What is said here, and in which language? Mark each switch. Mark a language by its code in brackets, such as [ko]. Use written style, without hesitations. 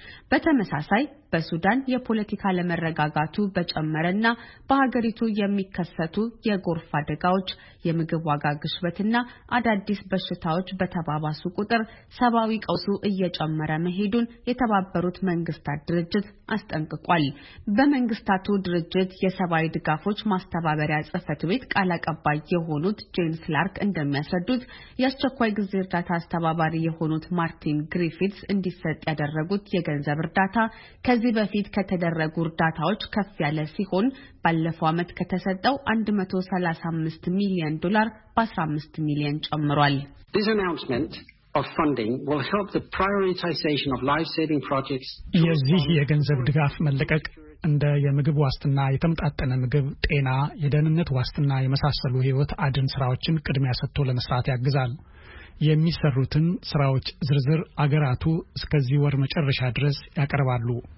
[am] በተመሳሳይ በሱዳን የፖለቲካ ለመረጋጋቱ በጨመረና በሀገሪቱ የሚከሰቱ የጎርፍ አደጋዎች፣ የምግብ ዋጋ ግሽበትና አዳዲስ በሽታዎች በተባባሱ ቁጥር ሰብአዊ ቀውሱ እየጨመረ መሄዱን የተባበሩት መንግስታት ድርጅት አስጠንቅቋል። በመንግስታቱ ድርጅት የሰብአዊ ድጋፎች ማስተባበሪያ ጽህፈት ቤት ቃል አቀባይ የሆኑት ጄምስ ላርክ እንደሚያስረዱት የአስቸኳይ ጊዜ እርዳታ አስተባባሪ የሆኑት ማርክ ማርቲን ግሪፊትስ እንዲሰጥ ያደረጉት የገንዘብ እርዳታ ከዚህ በፊት ከተደረጉ እርዳታዎች ከፍ ያለ ሲሆን ባለፈው አመት ከተሰጠው 135 ሚሊዮን ዶላር በ15 ሚሊዮን ጨምሯል። [en] This announcement of funding will help the prioritization of life-saving projects. [am] የዚህ የገንዘብ ድጋፍ መለቀቅ እንደ የምግብ ዋስትና የተመጣጠነ ምግብ ጤና የደህንነት ዋስትና የመሳሰሉ ህይወት አድን ስራዎችን ቅድሚያ ሰጥቶ ለመስራት ያግዛል። የሚሰሩትን ስራዎች ዝርዝር አገራቱ እስከዚህ ወር መጨረሻ ድረስ ያቀርባሉ።